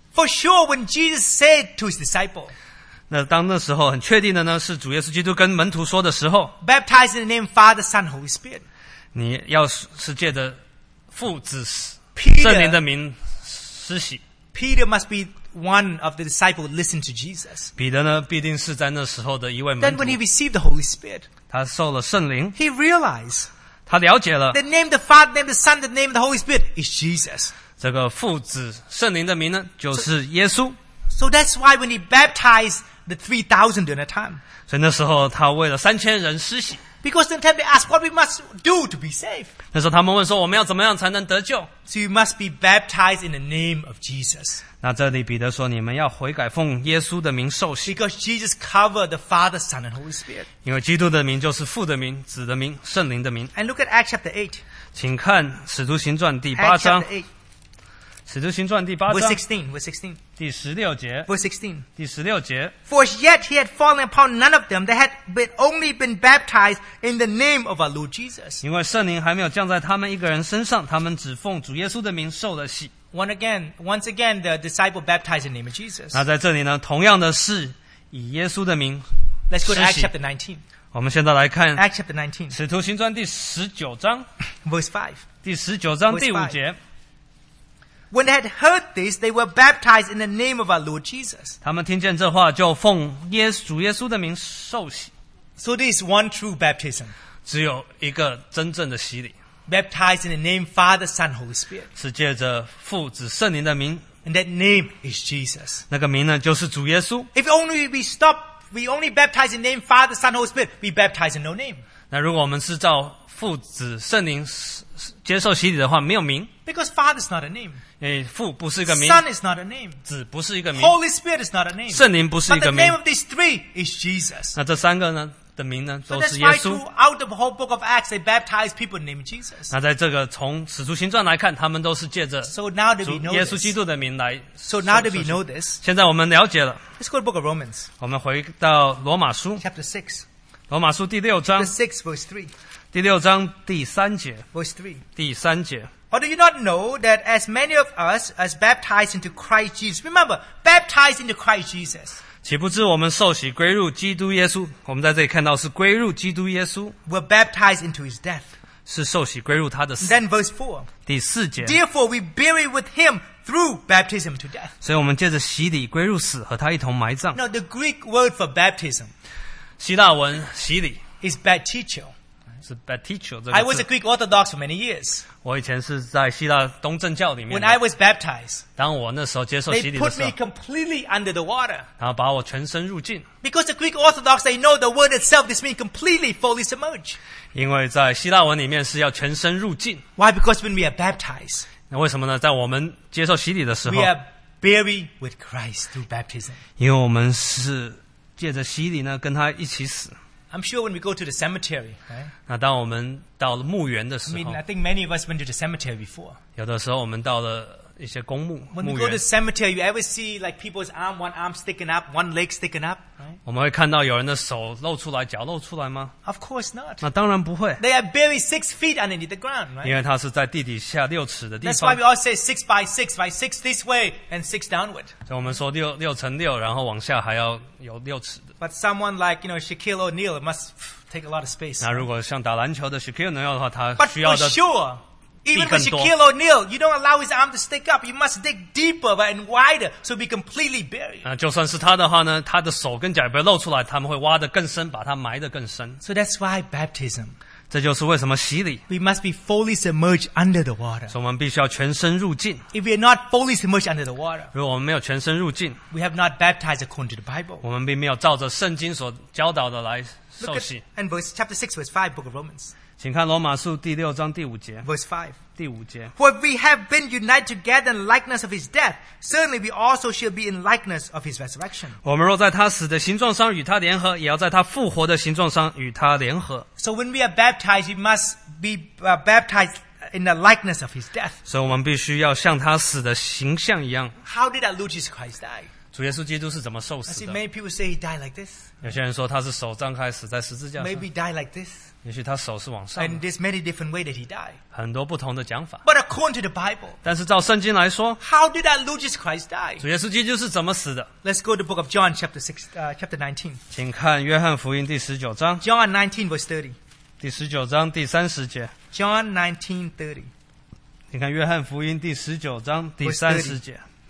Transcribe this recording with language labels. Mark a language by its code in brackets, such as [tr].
[en] For sure, when Jesus said to his disciple, [zh] 那当那时候很确定的呢, 是主耶稣基督跟门徒说的时候, [en] Baptize in the name of Father, Son, and Holy Spirit. [zh] 你要是借着父子圣灵的名施洗。 [en] Peter must be one of the disciples listened to Jesus. [zh] 彼得呢必定是在那时候的一位门徒。 [en] Then when he received the Holy Spirit, [zh] 他受了圣灵, [en] he realized, [zh] 他了解了, [en] the name of the Father, the name of the Son, the name of the Holy Spirit is Jesus. [zh] 这个父子圣灵的名呢, 就是耶稣。 [en] So that's why when he baptized the 3,000 during that time, [zh] 所以那时候他为了3,000人施洗。 [en] Because then they ask what we must do to be saved. [zh] 那时候他们问说我们要怎么样才能得救。 [en] So you must be baptized in the name of Jesus. [zh] 那这里彼得说你们要悔改奉耶稣的名受洗。 [en] Because Jesus covered the Father, Son, and Holy Spirit. [zh] 因为基督的名就是父的名、子的名、圣灵的名。 [en] And look at Acts chapter 8. [zh] 请看使徒行传第八章。 [en] Acts chapter 8. [zh] 使徒行传第八章。 [en] Verse 16. [zh] 第十六节。 [en] Verse 16. [zh] 第十六节。 [en] For as yet he had fallen upon none of them, they had only been baptized in the name of our Lord Jesus. [zh] 因为圣灵还没有降在他们一个人身上, 他们只奉主耶稣的名受了洗。 [en] Once again, the disciple baptized in the name of Jesus. [zh] 那在这里呢, 同样的是, 以耶稣的名, [en] Let's go to Acts chapter 19. [zh] 我们现在来看, [en] Acts chapter 19. [zh] 使徒行传第十九章。 [en] Verse 5. [zh] 第十九章第五节。 [en] When they had heard this, they were baptized in the name of our Lord Jesus. [zh] 他们听见这话就奉耶稣主耶稣的名受洗。 [en] So this is one true baptism. [zh] 只有一个真正的洗礼。 [en] Baptized in the name Father, Son, Holy Spirit. [zh] 是借着父子圣灵的名。 [en] And that name is Jesus. [zh] 那个名呢就是主耶稣。 [en] If only we only baptize in the name Father, Son, Holy Spirit, we baptize in no name. [zh] 那如果我们是照父子圣灵接受洗礼的话，没有名。 [en] Because Father is not a name. [zh] 因为父不是一个名, [en] Son is not a name. [zh] 子不是一个名, [en] Holy Spirit is not a name. [zh] 圣灵不是一个名, [en] but the name of these three is Jesus. [zh] 那这三个呢的名呢, [en] so that's why throughout the whole book of Acts, they baptize people named Jesus. [zh] 那在这个从使徒行传来看, 他们都是借着主耶稣基督的名来, [en] so now that we know this. So now that we know this, [zh] 现在我们了解了, [en] let's go to the book of Romans. [zh] 我们回到罗马书, [en] chapter 6. [zh] 罗马书第六章, [en] chapter 6, verse 3. [zh] 第六章第三节, [en] verse 3. [zh] 第三节, [en] Or do you not know that as many of us as baptized into Christ Jesus, remember, baptized into Christ Jesus, [zh] 岂不知我们受洗归入基督耶稣, 我们在这里看到是归入基督耶稣, [en] were baptized into his death, [zh] 是受洗归入他的死。 [en] Then verse 4, [zh] 第四节, [en] Therefore we bury with him through baptism to death. [zh] 所以我们借着洗礼归入死和他一同埋葬。 [en] Now the Greek word for baptism, [zh] 希腊文洗礼, [en] is baptizo. [zh] 是 baptizo 这个字。 [en] I was a Greek Orthodox for many years. [zh] 我以前是在希腊东正教里面。 [en] When I was baptized, [zh] 当我那时候接受洗礼的时候 [en] ，they put me completely under the water. [zh] 然后把我全身入浸。 [en] Because the Greek Orthodox, they know the word itself this means completely fully submerged. [zh] 因为在希腊文里面是要全身入浸。 [en] Why? Because when we are baptized, [zh] 那为什么呢？在我们接受洗礼的时候 [en] ，we are buried with Christ through baptism. [zh] 因为我们是借着洗礼呢，跟他一起死。 [en] I'm sure when we go to the cemetery, right? [zh] 那当我们到了墓园的时候 [en] I mean, I think many of us went to the cemetery before. [zh] 有的时候我们到了一些公墓 [en] When we go to the cemetery, you ever see like people's arm, one arm sticking up, one leg sticking up, right? [zh] 我们会看到有人的手露出来，脚露出来吗？ [en] Of course not. [zh] 那当然不会。 [en] They are buried 6 feet underneath the ground, right? [zh] 因为它是在地底下六尺的地方。 [en] That's why we all say 6 by 6, right? 6 this way and 6 downward. [zh] 所以我们说六乘六，然后往下还要有六尺。 [en] But someone like, you know, Shaquille O'Neal, it must take a lot of space. [zh] 那如果像打篮球的 Shaquille O'Neal 的话，他需要的地更多。 [en] But for sure, even for Shaquille O'Neal, you don't allow his arm to stick up. You must dig deeper, right, and wider, so be completely buried. [zh] 那就算是他的话呢，他的手跟脚也不会露出来，他们会挖得更深，把他埋得更深。 [en] So that's why baptism. [zh] 这就是为什么洗礼。 [en] We must be fully submerged under the water. [zh] 所以我们必须要全身入浸。 [en] If we are not fully submerged under the water, [zh] 如果我们没有全身入浸 [en] we have not baptized according to the Bible. [zh] 我们并没有照着圣经所教导的来受洗。 [en] Look at, and verse chapter 6 verse 5 book of Romans. [zh] 请看罗马书第六章第五节。 [en] Verse 5. [zh] 第五节。 [en] For we have been united together in likeness of his death, certainly we also shall be in likeness of his resurrection. [zh] 我们若在他死的形状上与他联合，也要在他复活的形状上与他联合。 [en] So when we are baptized, we must be baptized in the likeness of his death. [zh] 所以我们必须要像他死的形象一样。 [en] How did our Lord Jesus Christ die? [zh] 主耶稣基督是怎么受死的？ [en] I see many people say he died like this. [zh] 有些人说他是手张开死在十字架上。 [en] Maybe die like this. [zh] 也许他手是往上的。 [en] And there's many different ways that he died. [zh] 很多不同的讲法。 [en] But according to the Bible, [zh] 但是照圣经来说 [en] How did our Lord Jesus Christ die? [zh] 主耶稣基督是怎么死的？ [en] Let's go to the book of John chapter 6, chapter 19. [zh] 请看约翰福音第十九章。 [en] John 19 verse 30. [zh] 第十九章第三十节。 [en] John 19:30. [zh] 请看约翰福音第十九章第三十节。